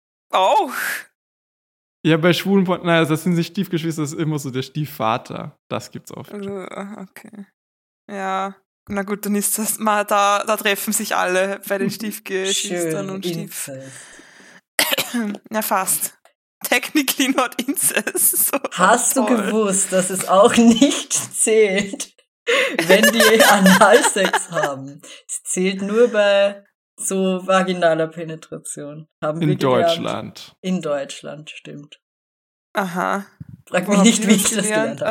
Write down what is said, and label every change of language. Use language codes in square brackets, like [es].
[de] Auch. Ja, bei schwulen Pornos, naja, das sind nicht Stiefgeschwister, das ist immer so der Stiefvater. Das gibt's oft. Okay. Ja. Na gut, dann ist das mal da, da treffen sich alle bei den Stiefgeschwistern. Schön, und Stief. Ja, fast. [en] Technically not incest. [de] So. Hast du gewusst, dass es auch nicht zählt, wenn die Analsex haben? Es zählt nur bei so vaginaler Penetration. Haben in wir Deutschland. Gelernt. In Deutschland, stimmt. Aha. Frag mich nicht, wie ich das gelernt habe.